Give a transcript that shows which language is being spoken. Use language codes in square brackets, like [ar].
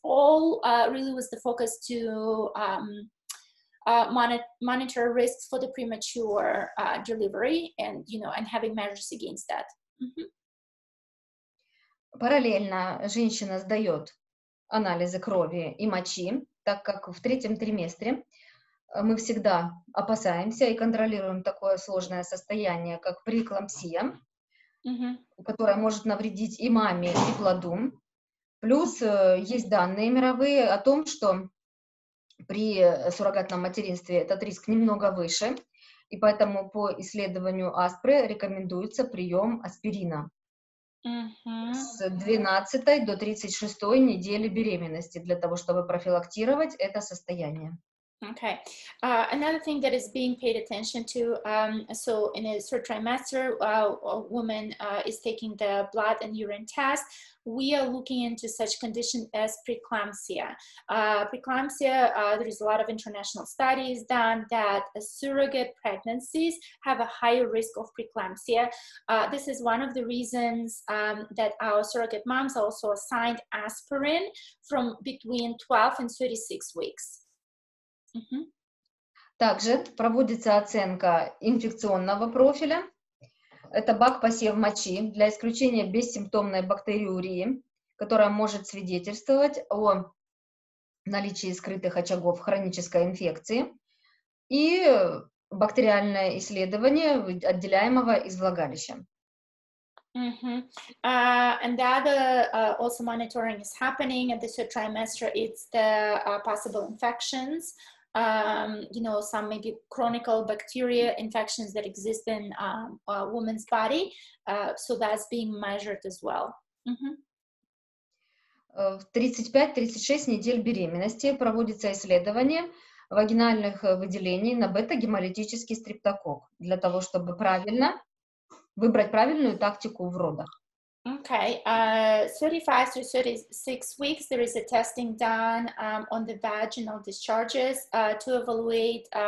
[en] All really was the focus to monitor risks for the premature delivery, and you know, and having measures against that. Mm-hmm. [ru] Параллельно женщина сдает анализы крови и мочи, так как в третьем триместре мы всегда опасаемся и контролируем такое сложное состояние, как преэклампсия, mm-hmm. которая может навредить и маме, и плоду. Плюс есть данные мировые о том, что при суррогатном материнстве этот риск немного выше, и поэтому по исследованию Аспры рекомендуется прием аспирина mm-hmm. с 12 до 36 недели беременности для того, чтобы профилактировать это состояние. [en] Okay. Another thing that is being paid attention to, so in a third trimester, a woman is taking the blood and urine test. We are looking into such condition as preeclampsia. Preeclampsia, there is a lot of international studies done that surrogate pregnancies have a higher risk of preeclampsia. This is one of the reasons that our surrogate moms are also assigned aspirin from between 12 and 36 weeks. [ru] Также проводится оценка инфекционного профиля. Это бак-посев мочи для исключения бессимптомной бактериурии, которая может свидетельствовать о наличии скрытых очагов хронической инфекции и бактериальное исследование отделяемого из влагалища. Mm-hmm. [en] And the other also monitoring is happening at the third trimester. It's the possible infections. You know, some maybe chronic bacteria infections that exist in a woman's body, so that's being measured as well. [ru] В 35-36 недель беременности проводится исследование вагинальных выделений на бета-гемолитический стрептококк для того, чтобы правильно выбрать правильную тактику в родах. [en] Okay, 35 to 36 weeks, there is a testing done on the vaginal discharges to evaluate